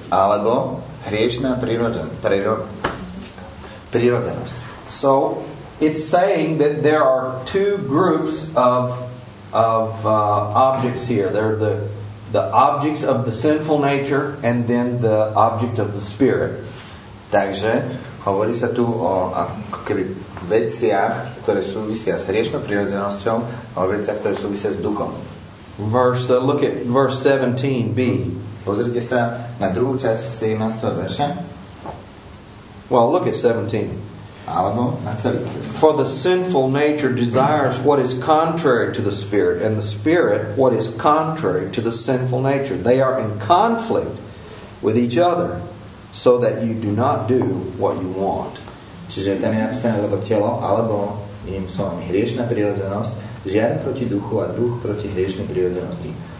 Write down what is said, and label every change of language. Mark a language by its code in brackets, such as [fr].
[sk] Alebo hriešná prirodzenosť. [en] So it's saying that there are two groups of objects here. There are the objects of the sinful nature and then the object of the spirit. [sk] Takže hovorí sa tu o akoby veciach, ktoré súvisia s hriešnou prirodzenosťou, a o veciach, ktoré súvisia s duchom. [en] Look at verse 17b. [sk] Pozrite sa na druhú časť 17. verša. [en] Well, look at 17. [sk] Alebo na celý. [en] For the sinful nature desires what is contrary to the spirit, and the spirit what is contrary to the sinful nature. They are in conflict with each other, so that you do not do what you want. [sk] Čiže tam je napísané, lebo telo, alebo iným slovom, hriešna prirodzenosť, žiada proti duchu a duch proti hriešnej prirodzenosti.